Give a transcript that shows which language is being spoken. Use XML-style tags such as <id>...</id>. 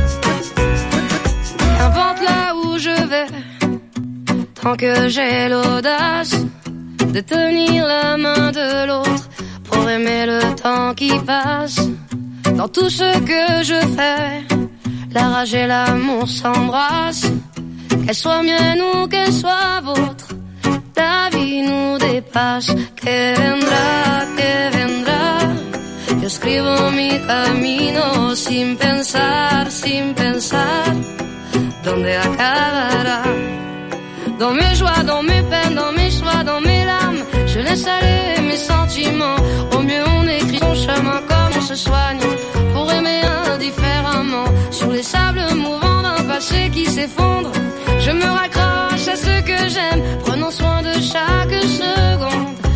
<fr>N'importe là où je vais, tant que j'ai l'audace de tenir la main de l'autre pour aimer le temps qui passe. Dans tout ce que je fais, la rage et l'amour s'embrassent. Qu'elles soient miennes ou qu'elles soient vôtres, la vie nous dépasse.</fr> <es>Que vendrá, que vendrá. Yo escribo mi camino sin pensar, sin pensar. Donde acabará.</es> <fr>Dans mes joies, dans mes peines, dans mes choix, dans mes larmes, je laisse aller mes sentiments. Au mieux on écrit son chemin comme on se soigne, pour aimer indifféremment. Sur les sables mouvants d'un passé qui s'effondre, je me raccroche à ce que j'aime, prenant soin de chaque seconde.</fr>